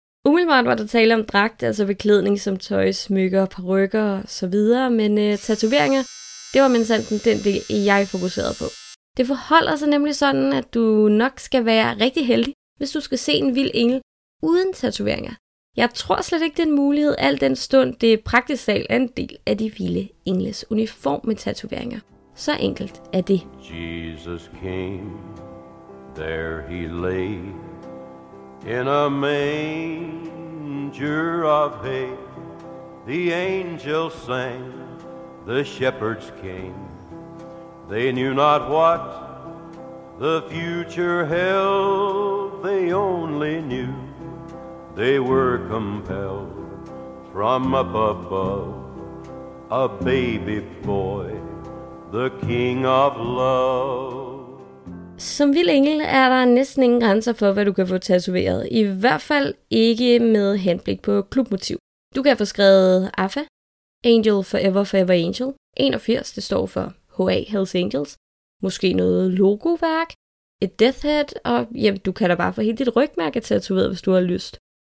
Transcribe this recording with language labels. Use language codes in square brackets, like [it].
[da] Umiddelbart var der tale om dragt, altså beklædning som tøj, smykker, parykker osv., men tatoveringer, det var mindstanden den del, jeg fokuserede på. Det forholder sig nemlig sådan, at du nok skal være rigtig heldig, hvis du skal se en vild engel uden tatoveringer. Jeg tror slet ikke, det er en mulighed, al den stund det praktisk talt er en del af de vilde engles uniform med tatoveringer. Så enkelt er det. [en] Jesus came, there he lay, in a manger of hay, the angels sang, the shepherds came, they knew not what the future held, they only knew they were compelled from up above, a baby boy, the king of love. [da] Som vild engel er der næsten ingen grænser for, hvad du kan få tatoveret. I hvert fald ikke med henblik på klubmotiv. Du kan få skrevet AFA, Angel Forever Forever Angel, 81, det står for HA Hells Angels, måske noget logoværk, et death hat, og jamen, du kan da bare få helt dit rygmærke tatoveret, hvis du har lyst.